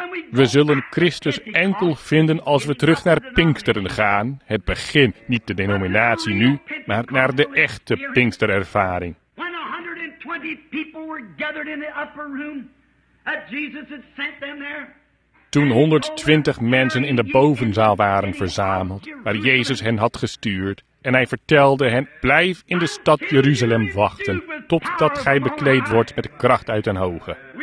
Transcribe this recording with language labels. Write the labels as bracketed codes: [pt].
[nl] We zullen Christus enkel vinden als we terug naar Pinksteren gaan. Het begin, niet de denominatie nu, maar naar de echte Pinksterervaring. [en] When 120 people were gathered in the upper room, Jesus had sent them there. [nl] Toen 120 mensen in de bovenzaal waren verzameld, waar Jezus hen had gestuurd, en hij vertelde hen, blijf in de stad Jeruzalem wachten, totdat gij bekleed wordt met kracht uit den hoge.